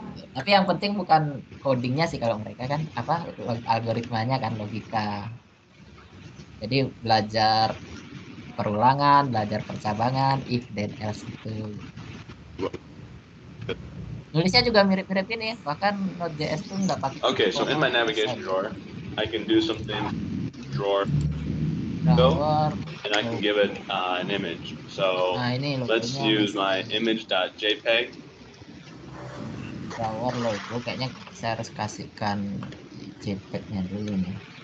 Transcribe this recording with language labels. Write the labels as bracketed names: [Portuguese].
[Indonesian] Tapi yang penting bukan codingnya sih kalau mereka kan, apa algoritmanya kan, logika. Jadi belajar perulangan, belajar percabangan, if then else itu. Nulisnya juga mirip-mirip ini, bahkan Node.js tuh nggak pakai. [English] Okay, so in my navigation drawer, I can do something drawer. Drawer. Go, and I can give it an image. So [Indonesian] nah, ini [English] let's use my image.jpg. [Indonesian] Drawer logo, kayaknya saya harus kasihkan jpeg-nya dulu nih.